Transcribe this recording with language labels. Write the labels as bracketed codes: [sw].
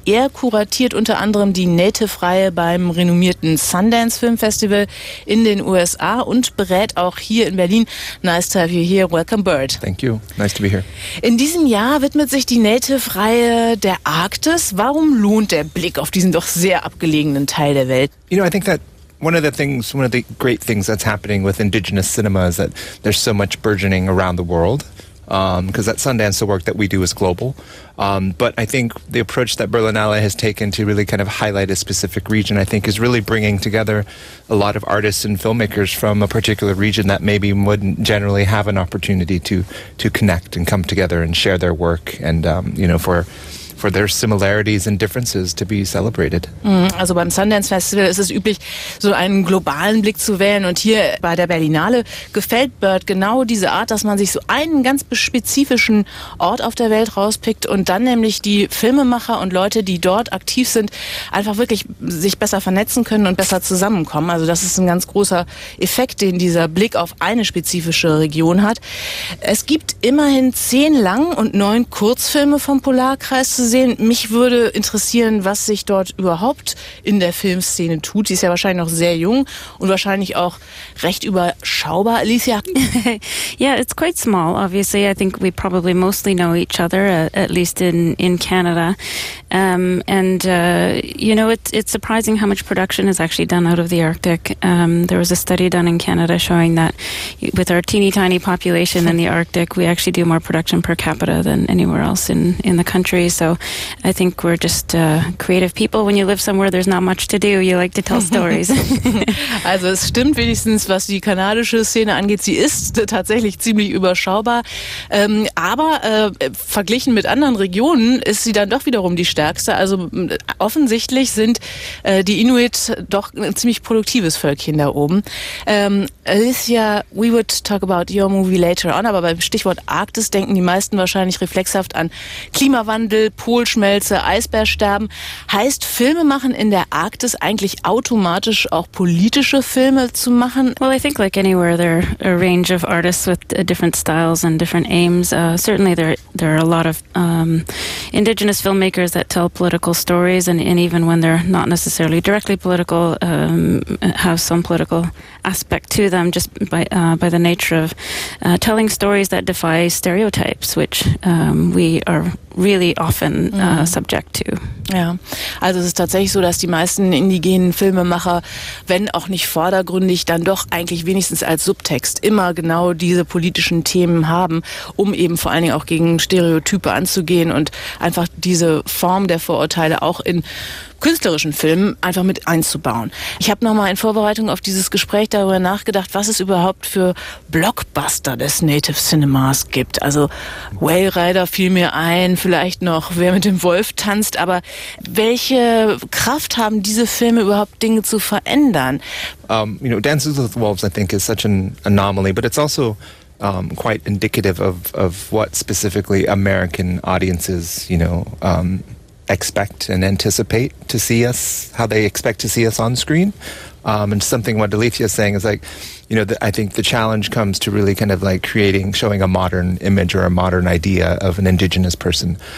[de] Er kuratiert unter anderem die Native-Reihe beim renommierten Sundance Film Festival in den USA und berät auch hier in Berlin. [en] Nice to have you here. Welcome, Bird. Thank you. Nice to be here. [de] In diesem Jahr widmet sich die Native-Reihe der Arktis. Warum lohnt der Blick auf diesen doch sehr abgelegenen Teil der Welt? [en] You know, I think that one of the great things that's happening with indigenous cinema is that there's so much burgeoning around the world. Because at Sundance, the work that we do is global. But I think the approach that Berlinale has taken to really kind of highlight a specific region, I think, is really bringing together a lot of artists and filmmakers from a particular region that maybe wouldn't generally have an opportunity to connect and come together and share their work and, you know, for their similarities and differences to be celebrated. [de] Also beim Sundance Festival ist es üblich, so einen globalen Blick zu wählen. Und hier bei der Berlinale gefällt Bird genau diese Art, dass man sich so einen ganz spezifischen Ort auf der Welt rauspickt und dann nämlich die Filmemacher und Leute, die dort aktiv sind, einfach wirklich sich besser vernetzen können und besser zusammenkommen. Also das ist ein ganz großer Effekt, den dieser Blick auf eine spezifische Region hat. Es gibt immerhin 10 Lang- und 9 Kurzfilme vom Polarkreis zu sehen. Mich würde interessieren, was sich dort überhaupt in der Filmszene tut. Sie ist ja wahrscheinlich noch sehr jung und wahrscheinlich auch recht überschaubar. Alicia? [en] Yeah, it's quite small, obviously. I think we probably mostly know each other, at least in Canada. You know, it's surprising how much production is actually done out of the Arctic. There was a study done in Canada showing that with our teeny tiny population in the Arctic, we actually do more production per capita than anywhere else in the country. So I think we're just creative people. When you live somewhere, there's not much to do. You like to tell stories. [de] Also es stimmt wenigstens, was die kanadische Szene angeht. Sie ist tatsächlich ziemlich überschaubar. Aber verglichen mit anderen Regionen ist sie dann doch wiederum die stärkste. Also offensichtlich sind die Inuit doch ein ziemlich produktives Völkchen da oben. [en] Alicia, we would talk about your movie later on. [de] Aber beim Stichwort Arktis denken die meisten wahrscheinlich reflexhaft an Klimawandel, Polschmelze, Eisbärsterben. Heißt Filme machen in der Arktis eigentlich automatisch auch politische Filme zu machen? [en] Well, I think like anywhere there are a range of artists with different styles and different aims. Certainly there are a lot of indigenous filmmakers that tell political stories and even when they're not necessarily directly political have some political aspect to them just by the nature of telling stories that defy stereotypes, which we are really often subject to. [de] Ja, also es ist tatsächlich so, dass die meisten indigenen Filmemacher, wenn auch nicht vordergründig, dann doch eigentlich wenigstens als Subtext immer genau diese politischen Themen haben, um eben vor allen Dingen auch gegen Stereotype anzugehen und einfach diese Form der Vorurteile auch in künstlerischen Filmen einfach mit einzubauen. Ich habe nochmal in Vorbereitung auf dieses Gespräch darüber nachgedacht, was es überhaupt für Blockbuster des Native Cinemas gibt. Also Whale Rider fiel mir ein, vielleicht noch Wer mit dem Wolf tanzt, aber welche Kraft haben diese Filme überhaupt, Dinge zu verändern? [en] You know, Dances with Wolves, I think, is such an anomaly, but it's also quite indicative of what specifically American audiences, you know, expect and anticipate to see us, how they expect to see us on screen. And something what Alicia is saying is like, you know, I think the challenge comes to really kind of like creating, showing a modern image or a modern idea of an indigenous person.